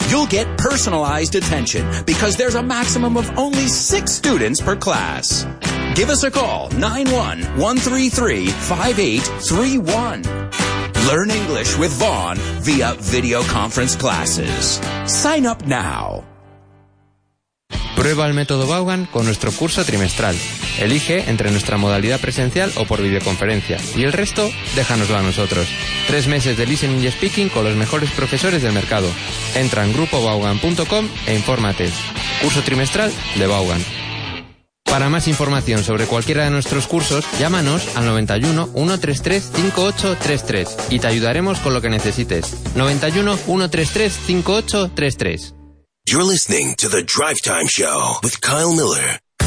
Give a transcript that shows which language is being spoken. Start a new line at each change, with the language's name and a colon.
English: You'll get personalized attention because there's a maximum of only 6 students per class. Give us a call, 91-133-5831. Learn English with Vaughn via video conference classes. Sign up now.
Spanish: Prueba el método Vaughan con nuestro curso trimestral. Elige entre nuestra modalidad presencial o por videoconferencia. Y el resto, déjanoslo a nosotros. 3 meses de listening y speaking con los mejores profesores del mercado. Entra en grupovaughan.com e infórmate. Curso trimestral de Vaughan. Para más información sobre cualquiera de nuestros cursos, llámanos al 91-133-5833 y te ayudaremos con lo que necesites. 91-133-5833.
English: You're listening to the Drive Time Show with Kyle Miller.